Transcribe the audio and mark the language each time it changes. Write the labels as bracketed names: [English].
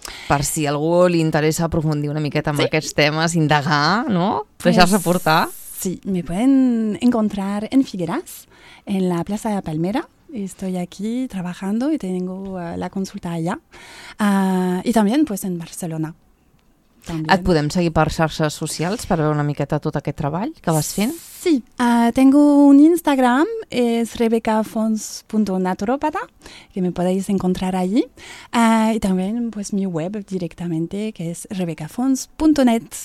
[Catalan] Per si a algú li interessa aprofundir una miqueta en aquests temes, indagar, no? Deixar-se portar. [Spanish] Sí, me pueden encontrar en Figueras, en la Plaza de la Palmera. Estoy aquí trabajando y tengo la consulta allá. Y también pues, en Barcelona. [Catalan] També. Et podem seguir per xarxes socials per veure una miqueta tot aquest treball que vas fent? [Spanish] Sí, tengo un Instagram, es rebecafons.naturopata, que me podéis encontrar allí. Y también pues, mi web directamente, que es rebecafons.net.